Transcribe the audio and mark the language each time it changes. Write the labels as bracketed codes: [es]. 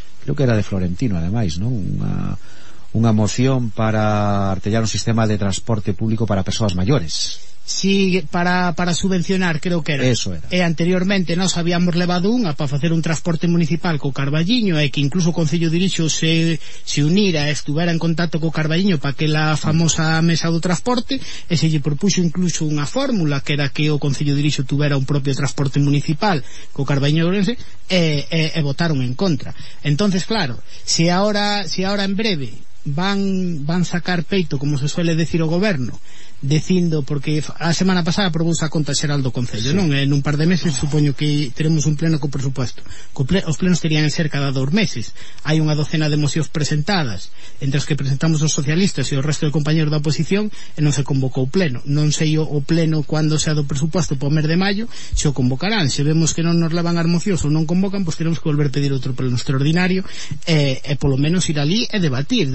[es] Creo que era de Florentino ademais, ¿no? [gl] Unha moción para artellar un sistema de transporte público para persoas maiores. [es] Sí, para subvencionar, creo que era. Eso era. [gl] E anteriormente nos habíamos levado unha para facer un transporte municipal co Carballiño, e que incluso o Concello de Irixo se unira e estuvera en contacto co Carballiño para que la famosa mesa do transporte, e se lle propuxo incluso unha fórmula que era que o Concello de Irixo tuvera un propio transporte municipal co Carballiño Orense, e votaron en contra. Entonces, claro, se ahora en breve van sacar peito, [es] como se suele decir, [gl] o goberno, dicindo, porque a semana pasada aprobouse a conta xeral do concello, sí, non? En un par de meses, supoño que teremos un pleno co presupuesto. Os plenos terían que ser cada 2 meses. Hai unha docena de mocións presentadas, entre as que presentamos os socialistas e o resto de compañeros da oposición, e non se convocou o pleno. Non sei o pleno cando sea do presupuesto, por mes de maio, se o convocarán. Se vemos que non nos levan as mocións ou non convocan, pois teremos que volver a pedir outro pleno extraordinario, e polo menos ir ali e debatir.